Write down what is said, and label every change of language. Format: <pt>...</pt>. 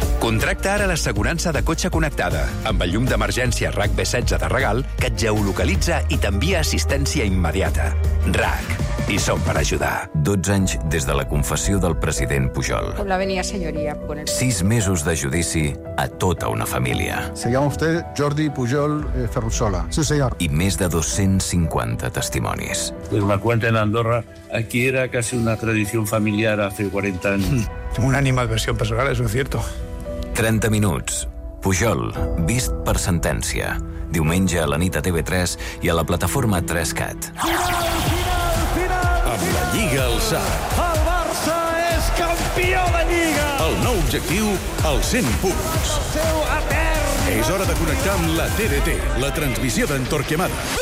<ca>Contracta ara l'assegurança de cotxe connectada amb el llum d'emergència RAC B16 de regal, que et geolocalitza i t'envia assistència immediata. RAC. I som per ajudar. 12 anys des de la confessió del president Pujol. Com la venia, senyoria. Con el... 6 mesos de judici a tota una família.</ca> <es>Se llama usted Jordi Pujol Ferrusola. Sí, señor.</es> <ca>I més de 250 testimonis.</ca> <es>Pues me cuenta en Andorra, aquí era casi una tradición familiar hace 40 años. Una animadversió personal, eso es cierto.</es> <ca>30 minuts. Pujol, vist per sentència. Diumenge a la nit a TV3 i a la plataforma 3CAT. Lliga alçat. El Barça és campió de Lliga. El nou objectiu, els 100 punts. És hora de connectar amb la TDT, la transmissió d'en Torquemada.</ca>